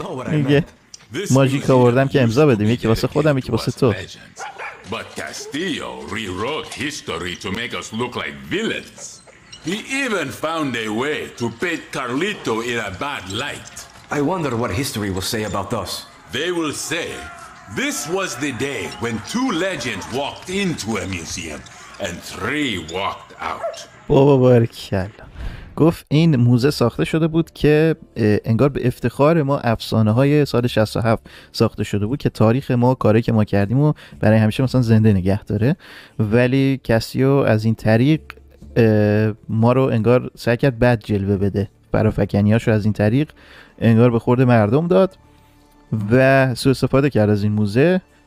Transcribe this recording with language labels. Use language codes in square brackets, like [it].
[fa] میگه ماجیک آوردم که امضا بدیم، یکی واسه خودم یکی واسه تو. [en] But Castillo rewrote history to make us look like villains. He even found a way to paint Carlito in a bad light. I wonder what history will say about us. They will say, this was the day when two legends walked into a museum and three walked out. [fa] بابا برکلا. گفت این موزه ساخته شده بود که انگار به افتخار ما افسانه های سال 67 ساخته شده بود که تاریخ ما، کاری که ما کردیم و برای همیشه مثلا زنده نگه داره. ولی کسیو از این طریق ما رو انگار سعی کرد بد جلوه بده، فرافکنیاشو از این طریق انگار به خورد مردم داد و سوء استفاده کرد از این موزه.